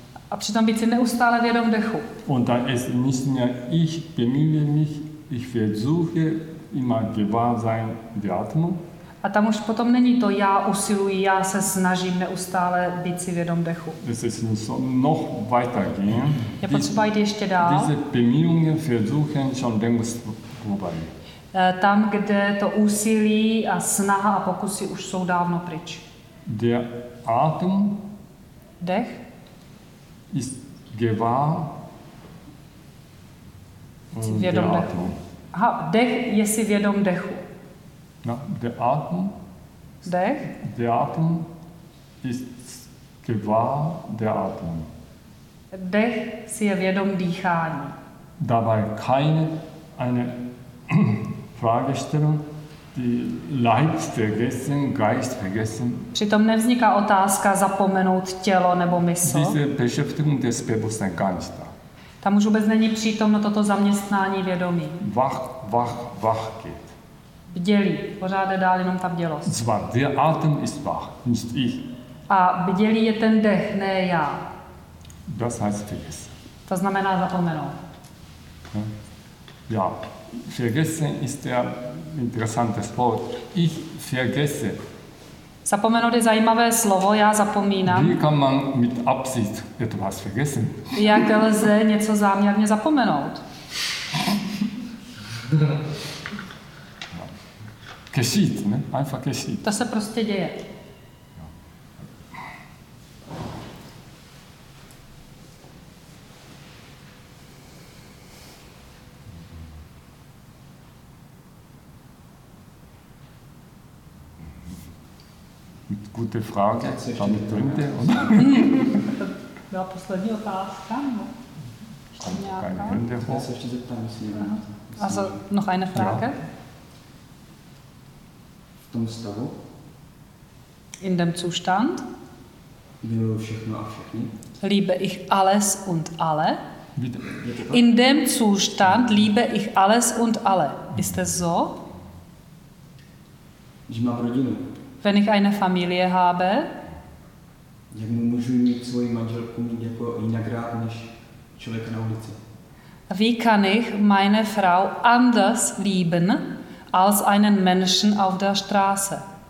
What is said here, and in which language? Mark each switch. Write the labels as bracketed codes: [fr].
[cs] A přitom být si neustále vědom dechu. [de] Und dann ist nicht mehr ich bemühe mich, ich versuche immer gewahrsein der Atmung. [cs] A tam už potom není to já usiluji, já se snažím neustále být si vědom dechu. [de] Noch weiter gehen. [cs] Je potřeba jít ještě dál. [de] Diese Bemühungen versuchen schon längst vorbei. [cs] Tam, kde to úsilí a snaha a pokusy už jsou dávno pryč. [de] Der Atem [cs] dech [de] ist gewahr [cs] vědom dechu. Aha, dech je si vědom dechu. [de] Na, der Atem. [cs] Dech? [de] Der Atem ist gewahr der Atem. [cs] Dech si je vědom dýchání. [de] Dabei keine eine Fragestellung, die Leib vergessen, Geist vergessen. [cs] Přitom nevzniká otázka zapomenout tělo nebo mysl. [de] Diese Beschäftigung des Bewusstsein gar nicht da. [cs] Tam už vůbec není přítomno toto zaměstnání vědomí. [de] Wach geht. [cs] Bdělí, pořád je dál jenom ta bdělost. [de] Zwar, der Atem ist wach, nicht ich. [cs] A bdělí je ten dech, ne já. [de] Das heißt vergessen. [cs] To znamená zapomenout. [de] Ja, vergessen ist ja interessantes Wort. Ich vergesse. [cs] Zapomenout je zajímavé slovo, já zapomínám. [de] Wie kann man mit Absicht etwas vergessen? [cs] Jak lze něco záměrně zapomenout? [de] Geschieht, ne? Einfach geschieht. [cs] To se prostě děje. [de] Mit gute Frage, damit drinte. [cs] Byla poslední otázka, no? Ještě nějaká? Já se ještě zeptám, jestli jedná. [de] Also, noch eine Frage? Ja. [cs] V tom stavu? [de] In dem Zustand? [cs] Miluji všechno a všechny? [de] Liebe ich alles und alle? In dem Zustand liebe ich alles und alle. Ist das so? Ich [cs] mám rodinu. [de] Wenn ich eine Familie habe? [cs] Jak mu můžu mít svoji manželku mít jako jinak rád než člověk na ulici? [de] Wie kann ich meine Frau anders lieben als einen Menschen auf der Straße?